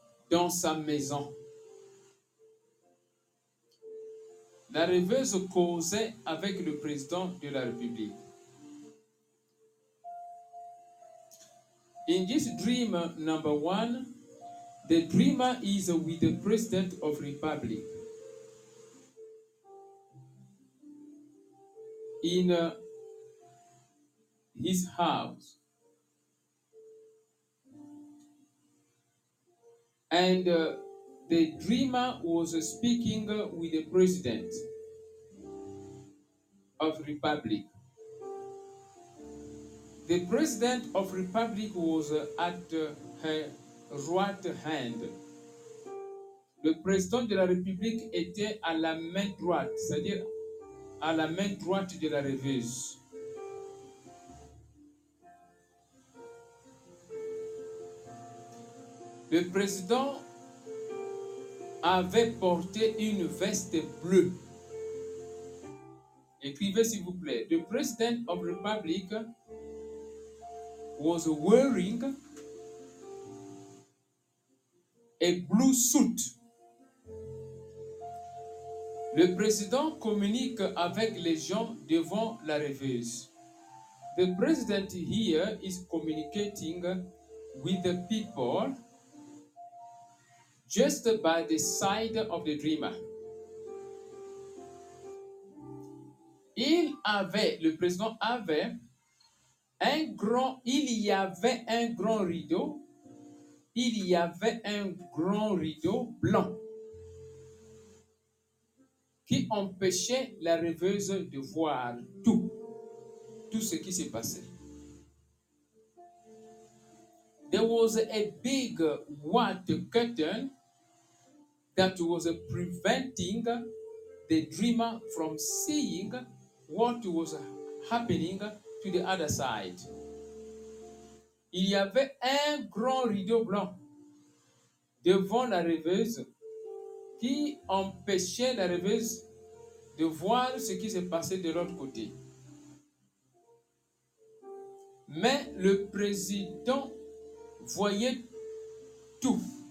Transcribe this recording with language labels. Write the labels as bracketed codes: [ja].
[fr] Dans sa maison. La rêveuse causait avec le président de la République. [en] In this dream number one, the dreamer is with the president of Republic. In his house. And the dreamer was speaking with the president of Republic. The president of Republic was at her right hand. [fr] Le président de la République était à la main droite, c'est-à-dire à la main droite de la rêveuse. Le président avait porté une veste bleue. Écrivez s'il vous plaît. [en] The president of Republic was wearing a blue suit. [fr] Le président communique avec les gens devant la rêveuse. [en] The president here is communicating with the people just by the side of the dreamer. [fr] Il avait, le président avait, il y avait un grand rideau blanc qui empêchait la rêveuse de voir tout ce qui s'est passé. [en] There was a big white curtain that was preventing the dreamer from seeing what was happening to the other side. [fr] Il y avait un grand rideau blanc devant la rêveuse qui empêchait la rêveuse de voir ce qui se passait de l'autre côté. Mais le président voyait tout.